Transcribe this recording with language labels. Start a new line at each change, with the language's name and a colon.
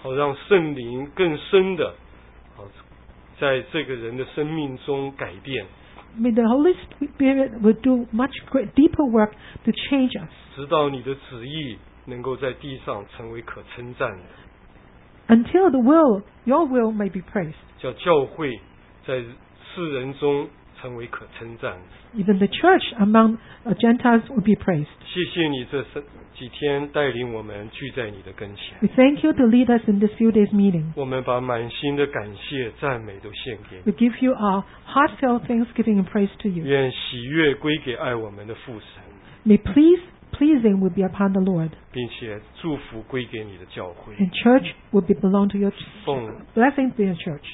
Chinese: 好让圣灵更深的，在这个人的生命中改变。
English: May the Holy Spirit will do much deeper work to change us.
Chinese: 直到你的旨意能够在地上成为可称赞的。
English: Until the will, your will may be praised.
Chinese: 叫教会在世人中成为可称赞的。
English: Even the church among Gentiles will be praised.
Chinese: 谢谢你这几天带领我们聚在你的跟前。
English: We thank you to lead us in this few days meeting.
Chinese: 我们把满心的感谢赞美都献给你。
English: We give you our heartfelt thanksgiving and praise to you.
Chinese: 愿喜悦归给爱我们的父神。
English: May pleasing will be upon the Lord.
Chinese: 并且祝福归给你的教会。
English: And church will belong to your church. Blessing to your church.